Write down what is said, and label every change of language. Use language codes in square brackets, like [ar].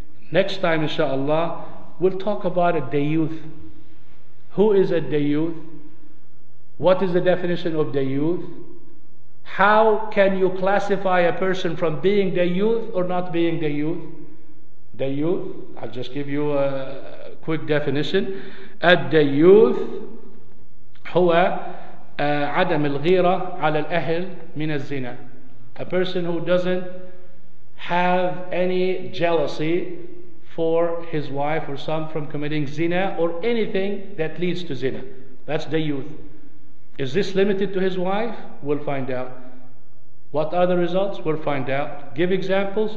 [en] Next time, inshallah, we'll talk about a dayuth. Who is a dayuth? What is the definition of dayuth? How can you classify a person from being dayuth or not being dayuth? Dayuth, I'll just give you a quick definition. [ar] A dayuth, huwa عدم الغيرة على الأهل من الزنا. [en] A person who doesn't have any jealousy for his wife or son from committing zina or anything that leads to zina. That's the youth. Is this limited to his wife? We'll find out. What are the results? We'll find out. Give examples?